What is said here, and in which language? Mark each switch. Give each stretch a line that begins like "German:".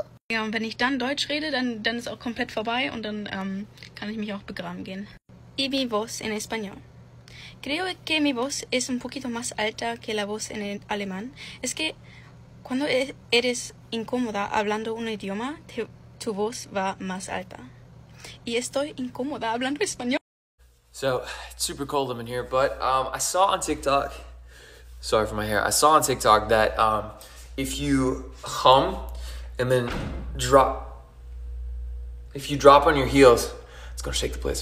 German: Ja, und wenn ich dann Deutsch rede, dann ist auch komplett vorbei und dann kann ich mich auch begraben gehen.
Spanish: Y mi voz en español. Creo que mi voz es un poquito más alta que la voz en el alemán. Es que cuando eres incómoda hablando un idioma, tu voz va más alta. Y estoy incómoda hablando español.
English: So, it's super cold in here, but I saw on TikTok, sorry for my hair, I saw on TikTok that if you hum and then drop, if you drop on your heels, it's gonna shake the place.